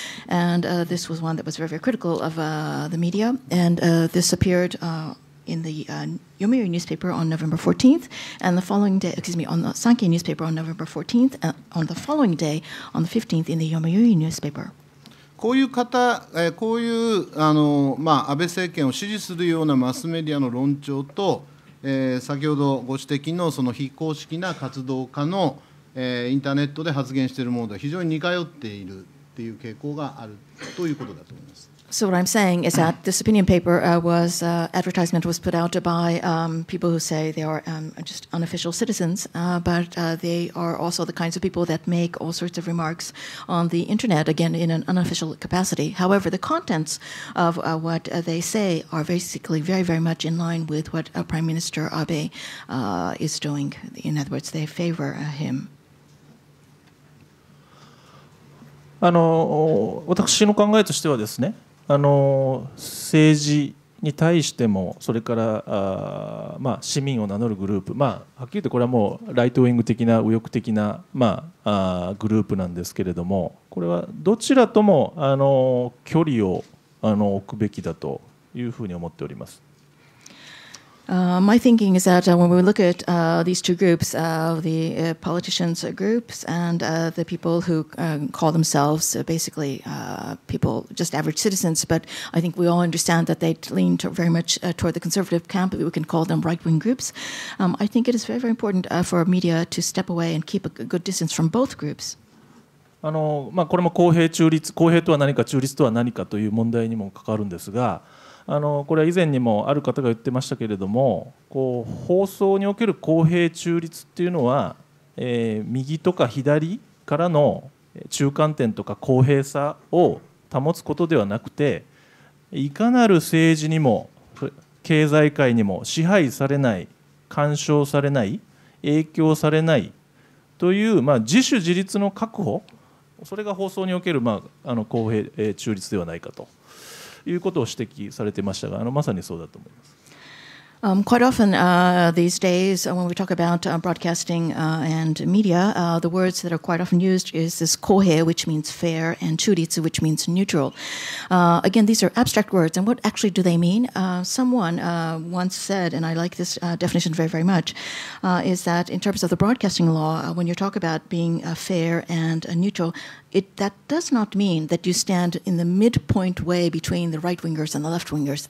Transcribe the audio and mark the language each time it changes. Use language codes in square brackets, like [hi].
[en] And this was one that was very, very critical of the media. And this appeared in the Yomiuri newspaper on November 14th. And the following day, excuse me, on the Sankei newspaper on November 14th, and on the following day, on the 15th, in the Yomiuri newspaper. [ja] こういう方、こういうあの、まあ、安倍政権を支持するようなマスメディアの論調と、先ほどご指摘 の、 その非公式な活動家のインターネットで発言しているものが非常に似通っているという傾向があるということだと思います。 [en] So what I'm saying is that this opinion paper was advertisement was put out by people who say they are just unofficial citizens, but they are also the kinds of people that make all sorts of remarks on the internet, again in an unofficial capacity. However, the contents of what they say are basically very, very much in line with what Prime Minister Abe is doing. In other words, they favor him. [ja] あの、私の考えとしてはですね。あの政治に対してもそれからあ、まあ、市民を名乗るグループ、まあ、はっきり言ってこれはもうライトウィング的な右翼的な、まあ、グループなんですけれどもこれはどちらともあの距離をあの置くべきだというふうに思っております。 [en] My thinking is that when we look at these two groups, the politicians groups and the people who call themselves basically people, just average citizens, but I think we all understand that they lean very much toward the conservative camp, we can call them right-wing groups. I think it is very, very important for media to step away and keep a good distance from both groups. [ja] あの、まあ、これも公平中立、公平とは何か中立とは何かという問題にも関わるんですが、あのこれは以前にもある方が言ってましたけれどもこう放送における公平中立っていうのは、右とか左からの中間点とか公平さを保つことではなくていかなる政治にも経済界にも支配されない干渉されない影響されないという、まあ、自主自立の確保それが放送における、まあ、あの公平、中立ではないかと。ということを指摘されてましたが、あのまさにそうだと思います。 [en] Quite often these days when we talk about broadcasting and media, the words that are quite often used is this kohei, which means fair, and chūritsu, which means neutral. Again, these are abstract words, and what actually do they mean? Someone once said, and I like this definition very, very much, is that in terms of the broadcasting law, when you talk about being fair and neutral, that does not mean that you stand in the midpoint way between the right-wingers and the left-wingers.